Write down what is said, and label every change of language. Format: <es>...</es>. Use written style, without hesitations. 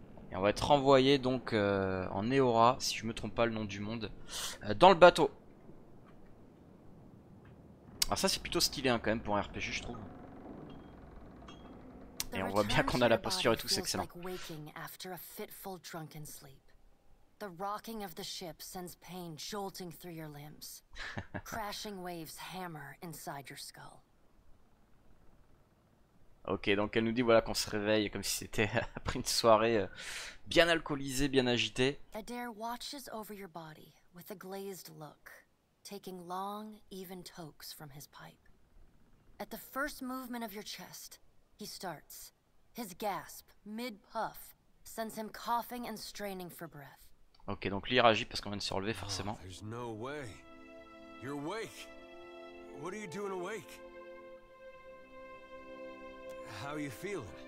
<fr>Et on va être renvoyé donc en Eora, si je me trompe pas le nom du monde, dans le bateau. Alors ça c'est plutôt stylé hein, quand même pour un RPG je trouve. Et on voit bien qu'on a la posture et tout, c'est excellent.</fr> <en>Comme waking after a fitful drunken sleep. The rocking of the ship sends pain jolting through your limbs. Crashing waves hammer inside your skull.</en> <fr>Ok, donc elle nous dit voilà qu'on se réveille comme si c'était après une soirée bien alcoolisée, bien agitée.</fr> <en>Adair watches over your body with a glazed look, taking long, even tokes from his pipe. At the first movement of your chest, he starts. His gasp, mid-puff, sends him coughing and straining for breath.</en> <fr>Ok, donc lui réagit parce qu'on vient de se relever forcément.</fr> <en>Oh, there's no way. You're awake. What are you doing awake? How are you feeling?</en>